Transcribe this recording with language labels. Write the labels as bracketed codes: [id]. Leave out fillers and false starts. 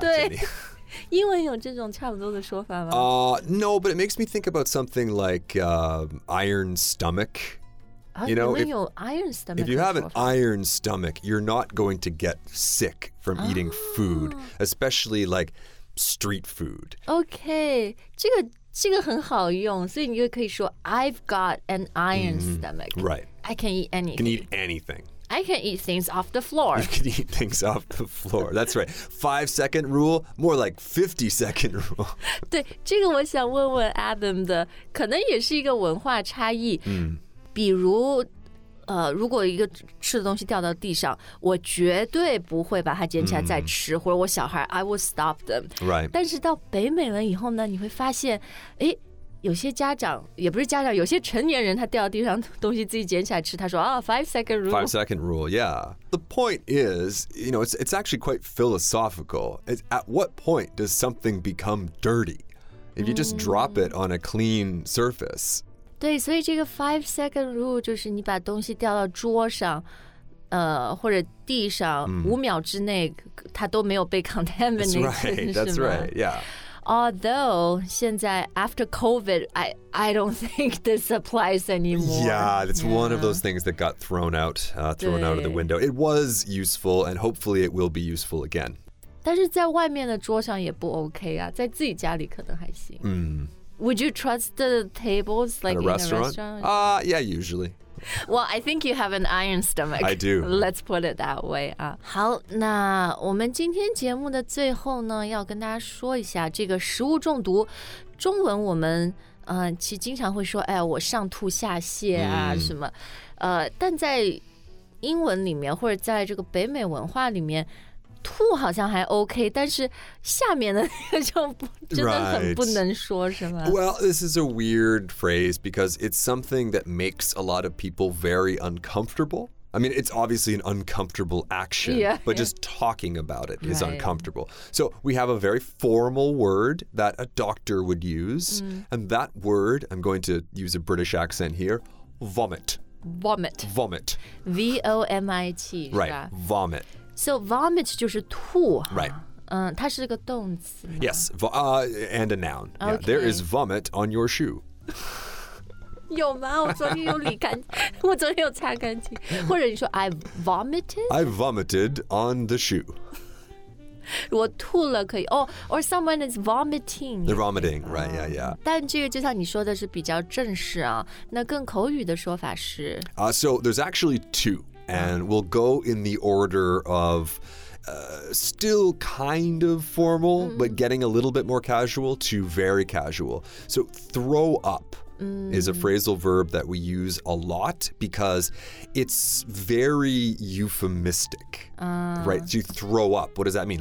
[zh] 对英文有这种差不多的说法吗、 [en] No, but it makes me think about something like、iron stomach. You know, if you have an iron stomach, you're not going to get sick from eating food, especially like street food. [zh] Okay, 这个很好用，所以你就可以说 [en] I've got an iron stomach. Right. I can eat anything. Can eat anything. I can eat things off the floor. You can eat things off the floor. That's right. 5 second rule, more like 50 second rule. [zh] 对，这个我想问问 Adam 的，可能也是一个文化差异。比如如果一个吃的东西掉到地上我绝对不会把它捡起来再吃、或者我小孩 [en] I will stop them、 right. [zh] 但是到北美了以后呢你会发现诶有些家长也不是家长有些成年人他掉到地上东西自己捡起来吃他说啊、5 second rule [en] yeah the point is you know it's actually quite philosophical、at what point does something become dirty if you just drop it on a clean surface [zh] 对，所以这个 5 second rule 就是你把东西掉到桌上，或者地上，五秒之内它都没有被 contaminated， [en] That's right, [zh] 是吗 [en] ？That's right, yeah. Although [zh] 现在 [en] after COVID, I don't think this applies anymore. Yeah, it's one of those things that got thrown out of the window. It was useful, and hopefully it will be useful again. [zh] 但是在外面的桌上也不 OK 啊，在自己家里可能还行。 [en] Would you trust the tables like in a restaurant? Yeah, usually. Well, I think you have an iron stomach. I do. Let's put it that way. [zh] 好，那我们今天节目的最后呢，要跟大家说一下这个食物中毒。中文我们其实经常会说，哎，我上吐下泻啊什么，但在英文里面或者在这个北美文化里面。吐好像还 OK 但是下面的那个就不真的很不能说、 [en] right. [zh] 是吗 [en] Well, this is a weird phrase because it's something that makes a lot of people very uncomfortable. I mean, it's obviously an uncomfortable action, yeah, but yeah. just talking about it is right, uncomfortable. Yeah. So we have a very formal word that a doctor would use, and that word, I'm going to use a British accent here, vomit. Vomit. Vomit. V-O-M-I-T, right, vomit. [zh] So vomit 就是吐 [en] Right.、 [zh] 它是个动词 [en] Yes,、and a noun.、 Okay. Yeah, there is vomit on your shoe. [zh] 有吗我昨天有理干净我昨天有擦干净。或者你说 [en] I vomited? I vomited on the shoe. [zh] 我吐了可以 [en] oh, or someone is vomiting. They're vomiting, right, yeah, yeah. [zh] 但这个就像你说的是比较正式啊，那更口语的说法是、 [en] So there's actually two, and we'll go in the order of、still kind of formal,、mm-hmm. but getting a little bit more casual to very casual. So throw up. Is a phrasal verb that we use a lot because it's very euphemistic,、right? So you throw up. What does that mean?